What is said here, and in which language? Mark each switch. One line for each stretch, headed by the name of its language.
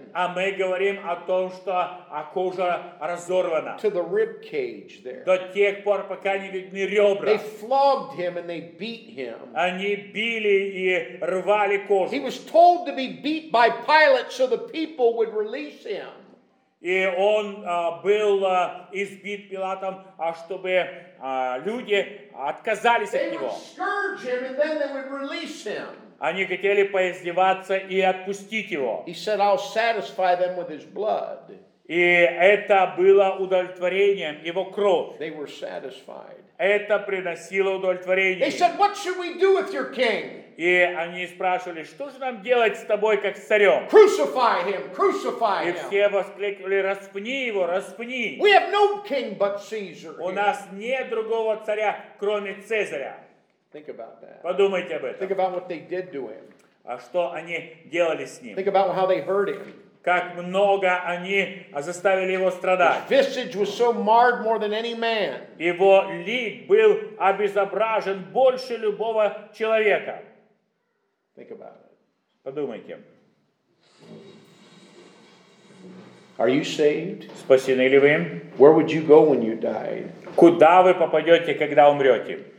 Russian: А мы говорим о том, что кожа разорвана.
English: To the rib cage there.
Russian: До тех пор, пока не видны ребра.
English: They flogged him and they beat him.
Russian: Они били и рвали кожу.
English: He was told to be beat by Pilate so the people would release him.
Russian: И он был избит Пилатом, а чтобы люди отказались
English: they
Russian: от него.
English: Him, and then they would release him.
Russian: Они хотели поиздеваться и отпустить его.
English: He said, I'll satisfy them with his blood.
Russian: И это было удовлетворением его кровь.
English: They were satisfied.
Russian: Это приносило удовлетворение.
English: They said, what should we do with your king?
Russian: И они спрашивали, что же нам делать с тобой, как с царем?
English: Crucify him, crucify him.
Russian: И все воскликнули, распни его, распни.
English: We have no king but Caesar.
Russian: У нас нет другого царя, кроме Цезаря.
English: Think about that.
Russian: Подумайте об этом.
English: Think about what they did to him.
Russian: А что они делали с ним?
English: Think about how they hurt him.
Russian: Как много они заставили его страдать.
English: His visage was so marred more than any man.
Russian: Его лик был обезображен больше любого человека.
English: Think about it.
Russian: Подумайте.
English: Are you saved?
Russian: Спасены ли вы?
English: Where would you go when you died?
Russian: Куда вы попадете, когда умрете?